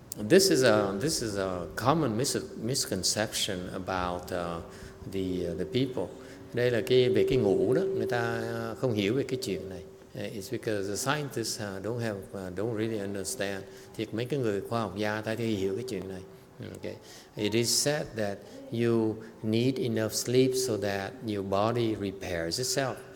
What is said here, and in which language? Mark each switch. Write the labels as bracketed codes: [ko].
[en] This is a common misconception about the people. [vi] Đây là về cái ngủ đó, người ta không hiểu về cái chuyện này. [en] It's because the scientists don't really understand. [vi] Thì mấy cái người khoa học gia ta thì hiểu cái chuyện này. [en] Okay. It is said that you need enough sleep so that your body repairs itself.